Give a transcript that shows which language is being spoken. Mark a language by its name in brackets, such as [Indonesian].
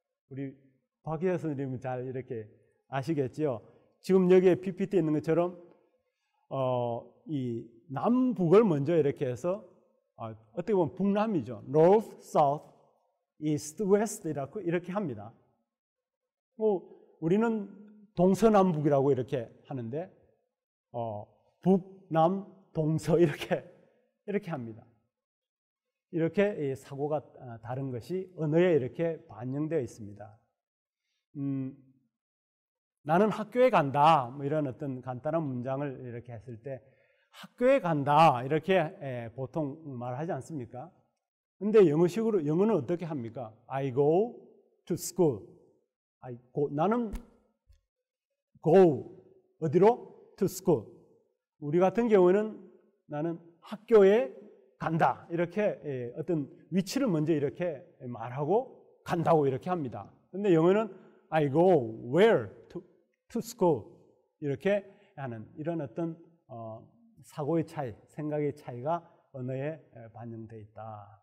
[Korean] 우리 박희자 선생님은 잘 이렇게 아시겠지요. 지금 여기에 PPT 있는 것처럼 이 남북을 먼저 이렇게 해서 어떻게 보면 북남이죠. [English] North, South, East, West이라고 [Korean] 이렇게 합니다. 뭐 우리는 동서남북이라고 이렇게 하는데 북남 동서 이렇게 합니다. 이렇게 이 사고가 다른 것이 언어에 이렇게 반영되어 있습니다. 나는 학교에 간다. 뭐 이런 어떤 간단한 문장을 이렇게 했을 때 학교에 간다. 이렇게 보통 말하지 않습니까? 근데 영어식으로 영어는 어떻게 합니까? [English] I go to school. I go 나는 go 어디로? to school. [Korean] 우리 같은 경우는 나는 학교에 간다. 이렇게 어떤 위치를 먼저 이렇게 말하고 간다고 이렇게 합니다. 근데 영어는 [English] I go where to school [Korean] 이렇게 하는 이런 어떤 사고의 차이, 생각의 차이가 언어에 반영되어 있다.